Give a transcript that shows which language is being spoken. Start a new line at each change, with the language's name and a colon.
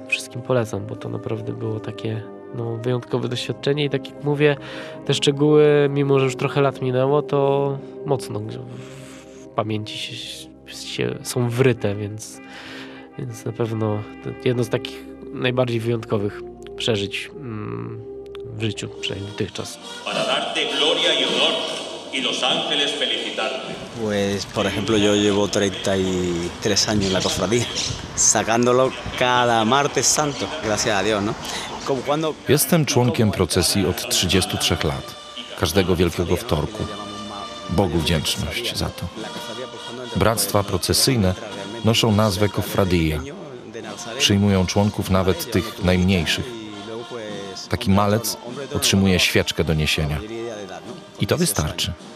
Polish: Wszystkim polecam, bo to naprawdę było takie no, wyjątkowe doświadczenie i tak jak mówię, te szczegóły, mimo że już trochę lat minęło, to mocno w pamięci się są wryte, więc na pewno jedno z takich najbardziej wyjątkowych przeżyć w życiu, przynajmniej dotychczas.
Spanish: Para darte gloria y honor y los ángeles felicitarte. Pues, por ejemplo, yo llevo 33 años en la cofradía, sacándolo cada martes santo, gracias a Dios, ¿no? Como cuando...
Polish: Jestem członkiem procesji od 33 lat, każdego Wielkiego Wtorku. Bogu wdzięczność za to. Bractwa procesyjne noszą nazwę Cofradia. Przyjmują członków nawet tych najmniejszych. Taki malec otrzymuje świeczkę do niesienia. I to wystarczy.